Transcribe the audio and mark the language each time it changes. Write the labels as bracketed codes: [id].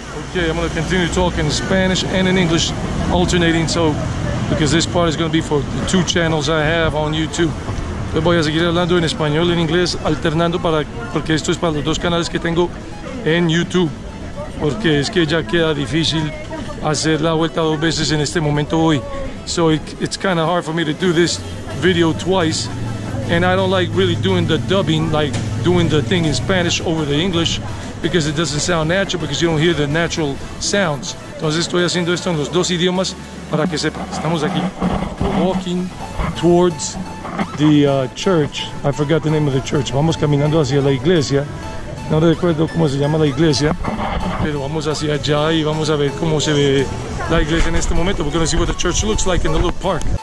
[en] Okay, I'm going to continue talking in Spanish and in English, alternating, so because this part is going to be for the two channels I have on YouTube. [es] Yo voy a seguir hablando en español y en inglés, alternando para, porque esto es para los dos canales que tengo en YouTube, porque es que ya queda difícil hacer la vuelta dos veces en este momento hoy. [en] So it's kind of hard for me to do this video twice, and I don't like really doing the dubbing, like doing the thing in Spanish over the English, because it doesn't sound natural, because you don't hear the natural sounds. [es] Entonces estoy haciendo esto en los dos idiomas para que sepan. Estamos aquí. [en] We're walking towards the church. I forgot the name of the church. [es] Vamos caminando hacia la iglesia. No recuerdo cómo se llama la iglesia, pero vamos hacia allá y vamos a ver cómo se ve la iglesia en este momento. [en] We're going to see what the church looks like in the little park.